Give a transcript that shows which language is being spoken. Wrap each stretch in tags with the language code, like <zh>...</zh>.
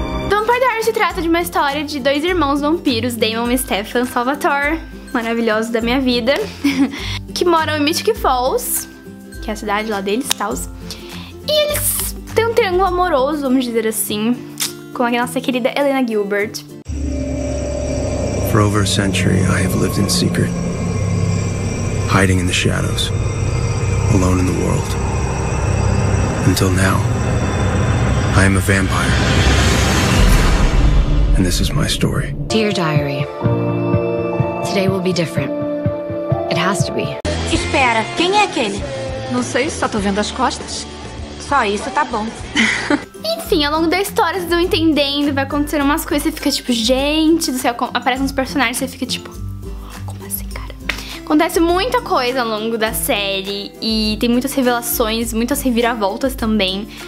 <pt>The Vampire Diaries se trata de uma história de 2 irmãos vampiros, Damon e Stefan Salvatore, maravilhoso da minha vida, que moram em Mystic Falls, que é a cidade lá deles e tal. E eles têm um triângulo amoroso, vamos dizer assim, com a nossa querida Elena Gilbert.</pt> <en>For over a century, I have lived in secret, hiding in the shadows, alone in the world. Until now, I am a vampire. And this is my story. Dear Diary, today will be different. It has to be.</en> <pt>Espera, quem é aquele? Não sei, só tô vendo as costas. Só isso, tá bom. Enfim, ao longo da história, vocês vão entendendo, vai acontecer umas coisas, você fica tipo, gente do céu, aparecem uns personagens, você fica tipo, como assim, cara? Acontece muita coisa ao longo da série, e tem muitas revelações, muitas reviravoltas também.</pt>